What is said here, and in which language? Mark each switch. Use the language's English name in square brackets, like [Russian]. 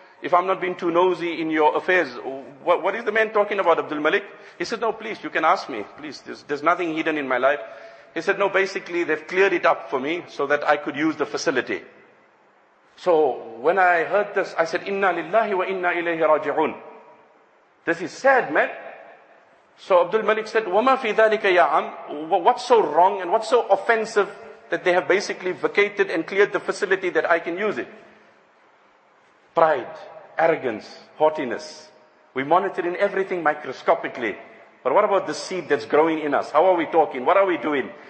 [English] If I'm not being too nosy in your affairs, what is the man talking about, Abdul Malik? He said, no, please, you can ask me. Please, there's nothing hidden in my life. He said, no, basically, they've cleared it up for me so that I could use the facility. So when I heard this, I said, [Arabic] إِنَّا لِلَّهِ وَإِنَّا إِلَيْهِ رَاجِعُونَ. [English] This is sad, man. So Abdul Malik said, [Arabic] وَمَا فِي ذَلِكَ يَا عَمْ. [English] What's so wrong and what's so offensive that they have basically vacated and cleared the facility that I can use it? Pride, arrogance, haughtiness. We're monitoring everything microscopically. But what about the seed that's growing in us? How are we talking? What are we doing?